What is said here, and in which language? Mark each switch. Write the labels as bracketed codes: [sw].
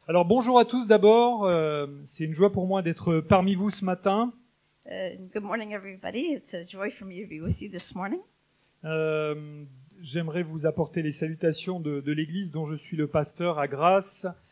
[fr] Alors bonjour à tous d'abord, c'est une joie pour moi d'être parmi vous ce matin. [en] Good morning everybody, it's a joy for me to be with you this morning. [fr] J'aimerais vous apporter les salutations de l'église dont je suis le pasteur à Grasse.